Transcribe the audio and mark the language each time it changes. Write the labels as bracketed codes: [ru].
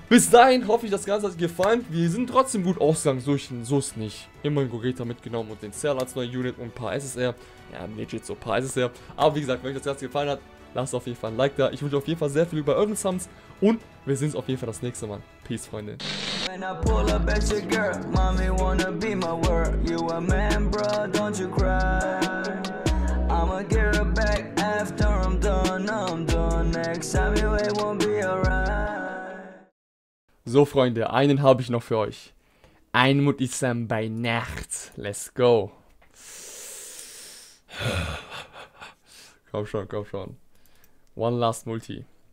[de] Bis dahin hoffe ich, das Ganze hat euch gefallen. Wir sind trotzdem gut ausgegangen, so ist es nicht. Immerhin Gogeta mitgenommen und den Cell als neue Unit und ein paar SSR. Ja, legit so ein paar SSR. Aber wie gesagt, wenn euch das Ganze gefallen hat, lasst auf jeden Fall ein Like da. Ich wünsche auf jeden Fall sehr viel über euren Sums und wir sehen uns auf jeden Fall das nächste Mal. Peace, Freunde. [en] When I pull up at your girl, mommy wanna be my world. You a man, bro, don't you cry. I'ma get her back after I'm done, next time you ain't won't be alright. [de] So, Freunde, einen habe ich noch für euch. Ein Mutisam bei Nacht. [en] Let's go. [de] Komm schon, komm schon. [en] One last Multi.